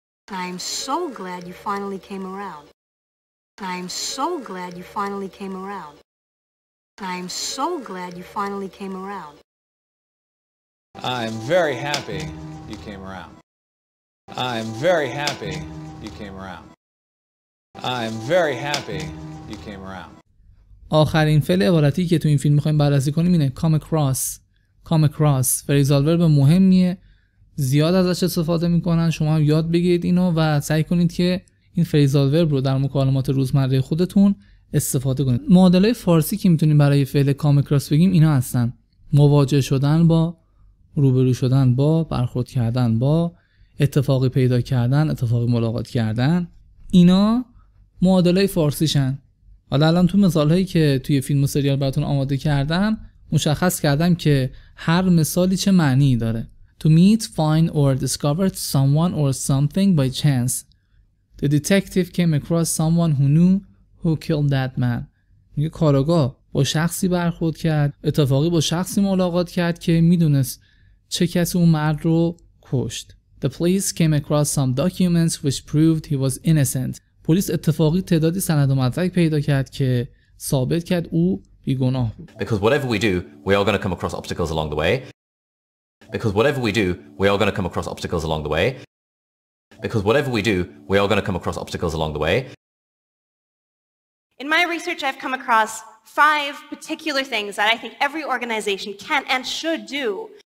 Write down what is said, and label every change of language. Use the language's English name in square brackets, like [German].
[English] I'm so glad you finally came around. I'm so glad you finally came around. I'm so glad you finally came around. I'm very happy you came around. I'm very happy you came around. I'm very happy you came around. [Persian] آخرین فعل عبارتی که تو این فیلم می‌خوایم بررسی کنیم اینه come across. Come across فریزال ورب مهمیه. زیاد ازش استفاده میکنن، شما هم یاد بگیرید اینو و سعی کنید که این فریزال ورب رو در مکالمات روزمره خودتون استفاده کنید. معادلای فارسی که میتونیم برای فعل کام اکراس بگیم اینا هستن: مواجه شدن با، روبرو شدن با، برخورد کردن با، اتفاقی پیدا کردن، اتفاقی ملاقات کردن. اینا معادلای فارسیشن. حالا الان تو مثالهایی که توی فیلم و سریال براتون آماده کردم مشخص کردم که هر مثالی چه معنی داره. [English] To meet, find, or discover someone or something by chance. The detective came across someone who knew who killed that man. [Persian] میگه کاراگاه با شخصی برخورد کرد، اتفاقی با شخصی ملاقات کرد که میدونست چه کسی اون مرد رو کشت. [English] The police came across some documents which proved he was innocent. [Persian] پلیس اتفاقی تعدادی سند و مدرک پیدا کرد که ثابت کرد او بیگناه بود. [English] Because whatever we do, we are going to come across obstacles along the way. Because whatever we do, we are going to come across obstacles along the way. Because whatever we do, we are going to come across obstacles along the way. In my research, I've come across five particular things that I think every organization can and should do.